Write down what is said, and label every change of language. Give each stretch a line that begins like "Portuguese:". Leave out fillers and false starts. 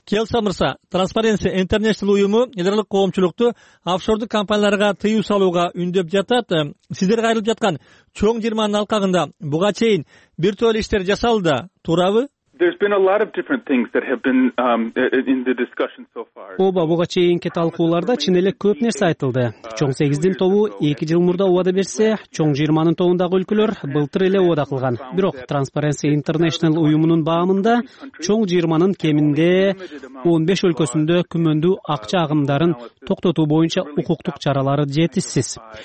Kyrgyz: Келса мырса, Transparency International уюму эл аралык коомчулукту офшордук компанияларга тыюу салууга үндөп жатат. Сиздер кайрылып жаткан чоң жырманын алкагында буга чейин бир топ иштер жасалды, туурабы?
English: There's been a lot of different things that have been in the discussion so far.
Kyrgyz: Ооба, буга чейинки талкууларда чын эле көп нерсе айтылды. Чоң 8дин тобу 2 жыл мурда убада берсе, чоң 20нын тобундагы өлкөлөр былтыр эле убада кылган. Бирок Transparency International уюмунун баамында чоң 20нын кеминде 15 өлкөсүндө күмөндүү акча агымдарын токтотуу боюнча укуктук чаралары жетишсиз.